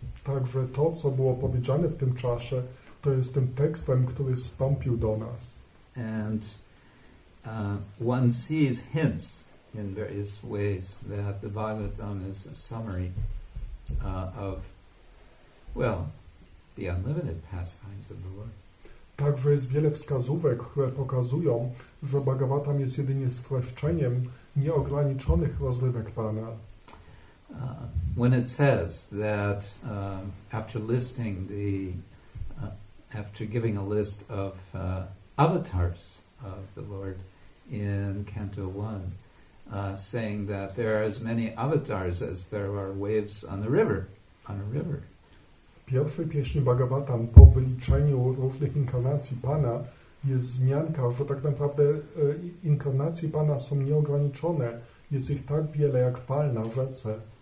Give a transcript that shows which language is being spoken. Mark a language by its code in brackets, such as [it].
[pl] Także to, co było powiedziane w tym czasie, to jest tym tekstem, który zstąpił do nas. [en] And one sees hints in various ways that the Bhagavatam is a summary of, well, the unlimited pastimes of the Lord. [pl] Także jest wiele wskazówek, które pokazują, że Bhagavatam jest jedynie streszczeniem nieograniczonych rozrywek Pana. [en] When it says that after listing the after giving a list of avatars of the Lord in Canto 1, saying that there are as many avatars as there are waves on the river, [pl] W pierwszej pieśni Bhagavatam po wyliczeniu różnych inkarnacji Pana jest wzmianka, że tak naprawdę inkarnacje Pana są nieograniczone. Jest ich tak wiele, jak fal na rzece.